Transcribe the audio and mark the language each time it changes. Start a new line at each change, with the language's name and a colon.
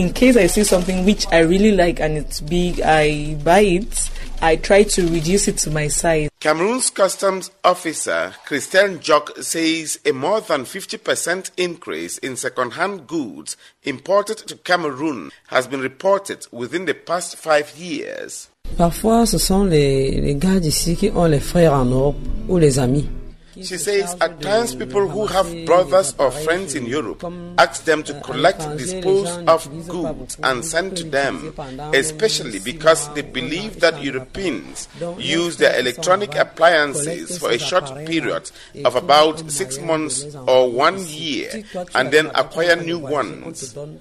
English: In case I see something which I really like and it's big, I buy it. I try to reduce it to my size. Cameroon's customs officer, Christelle Njok, says a more than 50% increase in second-hand goods imported to Cameroon has been reported within the past 5 years.
French: Parfois, ce sont les gars d'ici qui ont les frères en Europe ou les amis.
English: She says at times people who have brothers or friends in Europe ask them to collect, dispose of goods and send to them, especially because they believe that Europeans use their electronic appliances for a short period of about 6 months or 1 year and then acquire new ones.